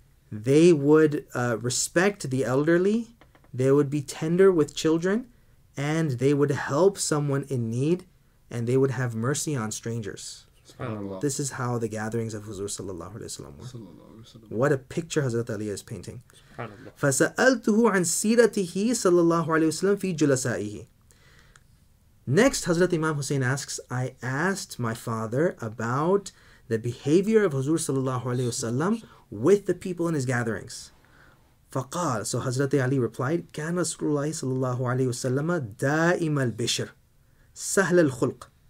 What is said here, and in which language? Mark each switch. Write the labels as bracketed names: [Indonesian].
[English] They would respect the elderly. They would be tender with children. And they would help someone in need, and they would have mercy on strangers. SubhanAllah. This is how the gatherings of Huzur sallallahu alayhi wa sallam were. What a picture Hazrat Ali is painting. [Arabic] فَسَأَلْتُهُ عَنْ سِيرَتِهِ sallallahu alayhi wa sallam فِي جُلَسَائِهِ. [English] Next, Hazrat Imam Hussein asks, I asked my father about the behavior of Huzur sallallahu alayhi wa sallam with the people in his gatherings. [Arabic] فَقَالَ. [English] So Hazrat Ali replied, [Arabic] كَانَ رَسُولُ اللَّهِ sallallahu alayhi wa sallam دَائِمَ الْبِشْرِ سَهْلَ الْخُلْقِ.